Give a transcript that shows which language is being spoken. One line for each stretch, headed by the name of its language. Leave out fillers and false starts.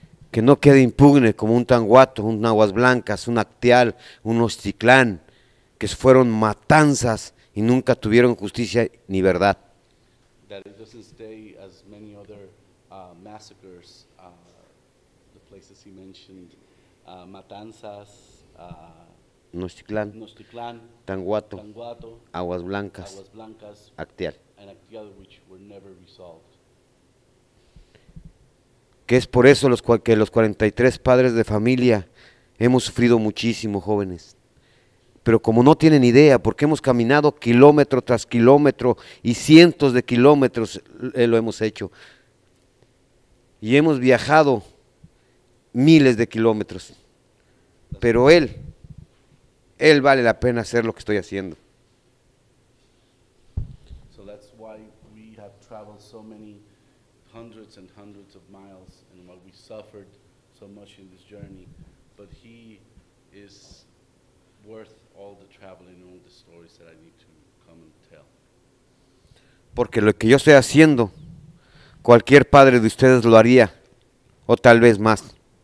Spanish: Que no quede impune como un Tanguato, un Aguas Blancas, un Acteal, un Oxtitlán, que fueron matanzas y nunca tuvieron justicia ni verdad.
English: That it doesn't stay as many other massacres, the places he mentioned, matanzas, Noxtitlán, Tanguato, Aguas Blancas, Acteal. And Acteal, which were never resolved.
Spanish: Que es por eso que los 43 padres de familia hemos sufrido muchísimo, jóvenes. Pero como no tienen idea, porque hemos caminado kilómetro tras kilómetro y cientos de kilómetros lo hemos hecho. Y hemos viajado miles de kilómetros. Pero él vale la pena hacer lo que estoy haciendo.
English: So that's why we have traveled so many hundreds and hundreds of miles. Suffered so much in this journey, but he is worth all the traveling and all the stories that I need to come and tell.
Spanish: Porque lo que yo estoy haciendo, cualquier padre de ustedes lo haría, o tal vez más.